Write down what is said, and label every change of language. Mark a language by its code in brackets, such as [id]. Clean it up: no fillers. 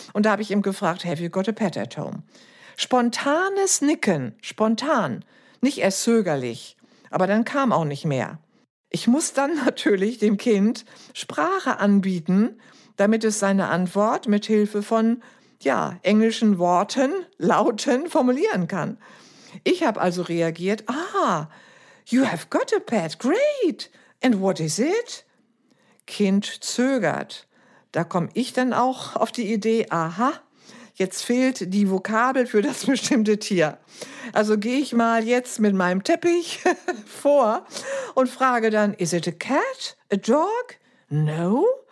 [de] Und da habe ich ihm gefragt, [en] have you got a pet at home? [de] Spontanes Nicken, spontan, nicht erst zögerlich. Aber dann kam auch nicht mehr. Ich muss dann natürlich dem Kind Sprache anbieten, damit es seine Antwort mit Hilfe von englischen Worten, Lauten formulieren kann. Ich habe also reagiert, [en] you have got a pet, great, and what is it? [de] Kind zögert. Da komme ich dann auch auf die Idee, jetzt fehlt die Vokabel für das bestimmte Tier. Also gehe ich mal jetzt mit meinem Teppich vor und frage dann, [en] is it a cat, a dog, no?